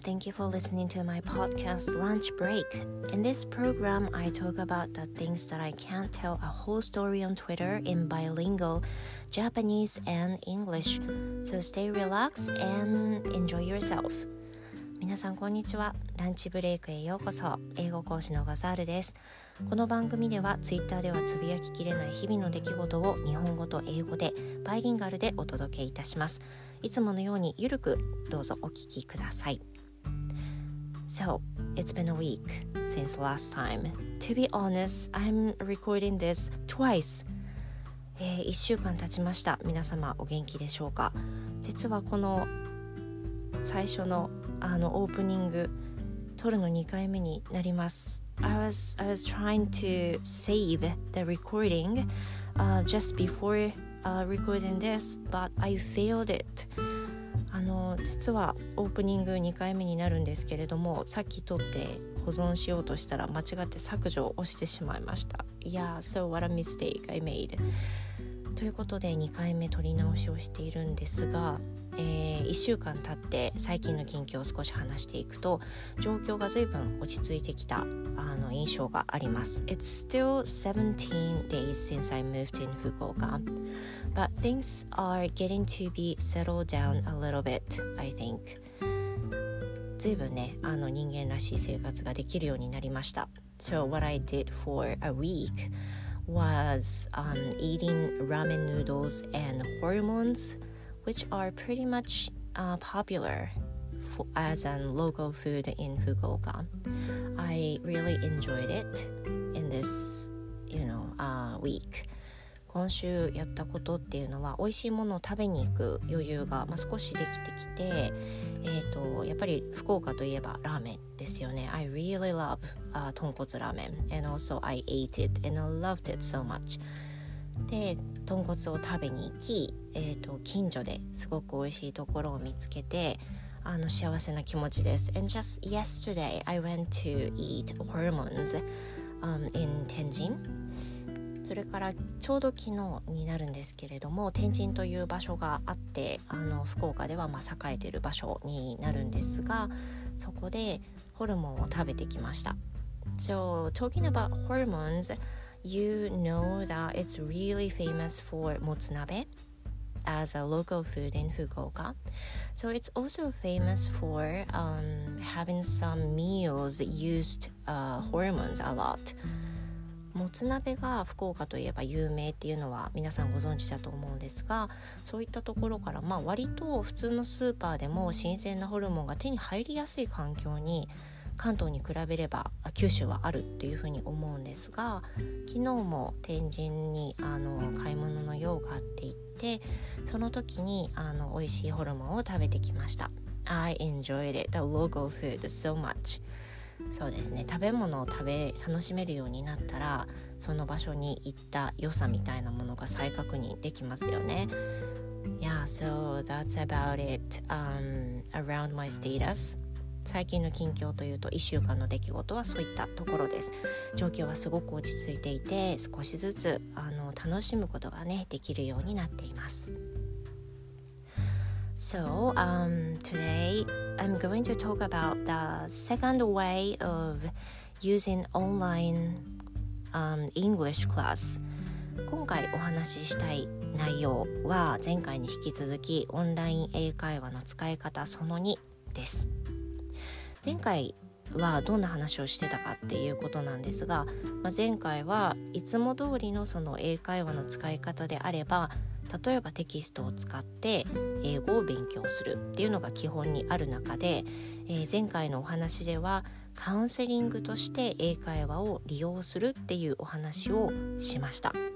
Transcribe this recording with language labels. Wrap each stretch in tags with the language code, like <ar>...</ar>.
<en>Thank you for listening to my podcast, Lunch Break. In this program, I talk about the things that I can't tell a whole story on Twitter in bilingual Japanese and English. So stay relaxed and enjoy yourself.</en> <ja>皆さんこんにちは。ランチブレイクへようこそ。英語講師のバザールです。この番組では、Twitter ではつぶやききれない日々の出来事を日本語と英語でバイリンガルでお届けいたします。いつものようにゆるくどうぞお聞きください。</ja> <en>So, it's been a week since last time. To be honest, I'm recording this twice.</en> <ja>1週間経ちました。皆様お元気でしょうか。実はこの最初のオープニング撮るの2回目になります。</ja> <en>I was trying to save the recording just before recording this, but I failed it.</en> <ja>実はオープニング2回目になるんですけれども、さっき撮って保存しようとしたら間違って削除を押してしまいました。</ja> <en>Yeah, so what a mistake I made.</en> <ja>ということで2回目撮り直しをしているんですが、1週間経って最近の近況を少し話していくと、状況が随分落ち着いてきた印象があります。</ja> <en>It's still 17 days since I moved in Fukuoka, but things are getting to be settled down a little bit, I think.</en> <ja>随分ね、人間らしい生活ができるようになりました。</ja> <en>So what I did for a week was eating ramen noodles and hormones, which are pretty much popular as a local food in Fukuoka. I really enjoyed it in this, week.</en> <ja>今週やったことっていうのは、美味しいものを食べに行く余裕が少しできてきて、やっぱり福岡といえばラーメンですよね。</ja> <en>I really love 豚骨ラーメン。 And also I ate it and I loved it so much.</en> <ja>で、豚骨を食べに行き、近所ですごく美味しいところを見つけて、幸せな気持ちです。</ja> <en>And just yesterday I went to eat hormones in Tenjin.</en> <ja>それからちょうど昨日になるんですけれども、天神という場所があって、福岡では栄えている場所になるんですが、そこでホルモンを食べてきました。</ja> <en>So talking about hormones, you know that it's really famous for もつ鍋 as a local food in Fukuoka. So it's also famous for having some meals used hormones a lot.</en> <ja>もつ鍋が福岡といえば有名っていうのは皆さんご存知だと思うんですが、そういったところから、割と普通のスーパーでも新鮮なホルモンが手に入りやすい環境に関東に比べれば九州はあるっていうふうに思うんですが、昨日も天神に買い物の用があって行って、その時に美味しいホルモンを食べてきました。</ja> <en>I enjoyed it, the local food so much.</en> <ja>そうですね、食べ物を楽しめるようになったら、その場所に行った良さみたいなものが再確認できますよね。</ja> <en>Yeah, so that's about it around my status.</en> <ja>最近の近況というと、1週間の出来事はそういったところです。状況はすごく落ち着いていて、少しずつ楽しむことがねできるようになっています。</ja> <en>So, today I'm going to talk about the second way of using online English class.</en> <ja>今回お話ししたい内容は、前回に引き続きオンライン英会話の使い方その2です。前回はどんな話をしてたかっていうことなんですが、前回はいつも通りのその英会話の使い方であれば、例えばテキストを使って英語を勉強するっていうのが基本にある中で、前回のお話ではカウンセリングとして英会話を利用するっていうお話をしました。</ja>